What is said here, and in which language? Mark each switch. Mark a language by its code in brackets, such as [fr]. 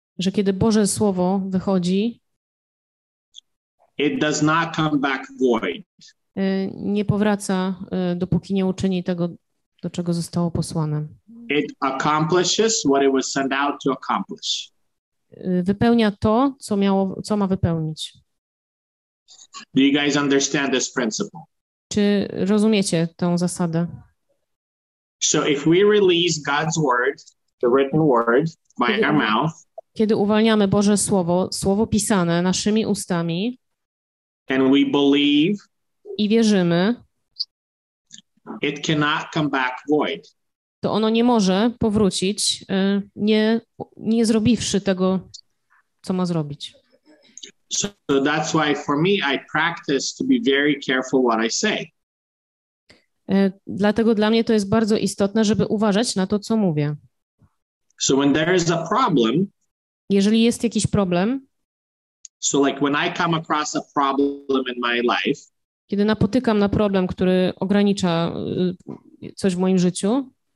[pl] Że kiedy Boże Słowo wychodzi. [en] It does not come back void. [pl] Nie powraca, dopóki nie uczyni tego, do czego zostało posłane. [en] It accomplishes what it was sent out to accomplish. [pl] Wypełnia to, co ma wypełnić. [en] Do you guys understand this principle? [pl] Czy rozumiecie tę zasadę? [en] So if we release God's word, the written word, by our mouth, [pl] kiedy uwalniamy Boże Słowo, słowo pisane naszymi ustami, [en] and we believe, [pl] i wierzymy, [en] it cannot come back void. [pl] To ono nie może powrócić, nie zrobiwszy tego, co ma zrobić. [en] So that's why for me I practice to be very careful what I say. [pl] Dlatego dla mnie to jest bardzo istotne, żeby uważać na to, co mówię. [en] So when there is a problem, [pl] jeżeli jest jakiś problem, [en] so like when I come across a problem in my life, [pl] kiedy napotykam na problem, który ogranicza coś w moim życiu,